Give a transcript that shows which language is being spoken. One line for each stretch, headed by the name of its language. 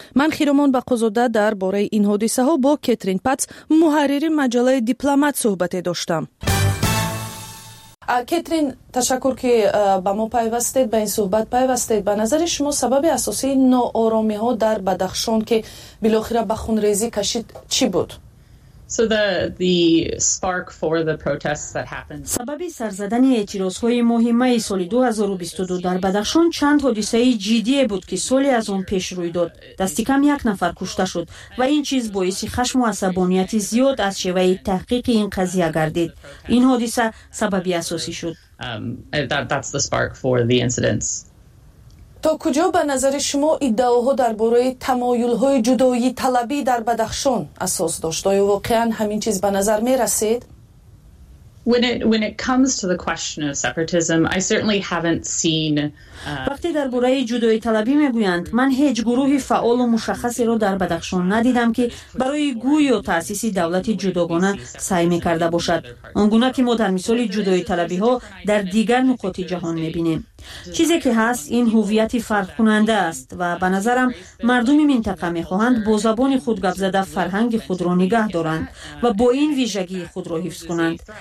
Persian: من خیرمان بقازاده در باره این حادثه ها با کترین پتس محرر مجله دیپلمات صحبت داشتم. کترین تشکر که با ما پیوستید، به این صحبت پیوستید. به نظر شما سبب اساسی ناآرامی ها در بدخشان که بالاخره به خونریزی کشید چی بود؟
English: So the spark for the protests that happened.
Persian: سبب سرزدن اعتراض‌های مهمه سال 2022 در بدخشان چند حادثه جدی بود که سالی از آن پیش روی داد. دستکم یک نفر کشته شد و این چیز باعث خشم و عصبانیت زیاد از شیوه تحقیق این قضیه گردید. این حادثه سبب اساسی شد.
English: That's the spark for the incidents.
Persian: تا کجا به نظر شما ادعاها درباره تمایل‌های جدایی طلبی در بدخشان اساس داشت؟ آیا واقعا همین چیز به نظر می‌رسید؟
English: When it comes to the question of separatism, I certainly haven't seen
Persian: وقتی درباره جدایی طلبی میگویند، من هیچ گروه فعال و مشخصی را در بدخشان ندیدم که برای گویی تأسیس دولت جداگانه سعی میکرده باشد، آنگونه که ما در مثال جدایی طلبی ها در دیگر نقاط جهان میبینیم. چیزی که هست این هویت فرق کننده است و به نظرم مردم منطقه میخواهند با زبان خود گپ زده فرهنگ خود را نگه دارند و با این ویژگی خود را حفظ کنند.